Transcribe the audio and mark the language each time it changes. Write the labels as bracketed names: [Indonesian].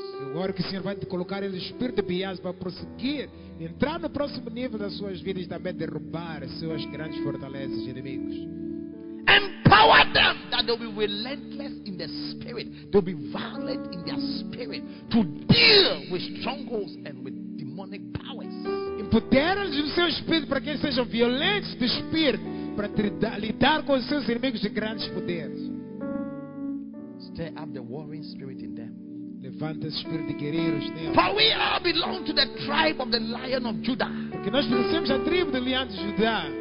[Portuguese] Agora que o Senhor vai te colocar o espírito de Biaso para prosseguir, entrar no próximo nível das suas vidas e também derrubar as suas grandes fortalezas e inimigos. [English] Empowered them that they'll be relentless in their spirit. They'll be violent in their spirit to deal with strongholds and with demonic powers. [Portuguese] Empodera-lhes o seu espírito para que eles sejam violentos de espírito para lidar com os seus inimigos de grandes poderes. [English] Stir up the warring spirit in them. [Portuguese] Levanta esse espírito de guerreiros neles. [English] For we all belong to the tribe of the Lion of Judah. [Portuguese] Porque nós pertencemos à tribo do Leão de Judá.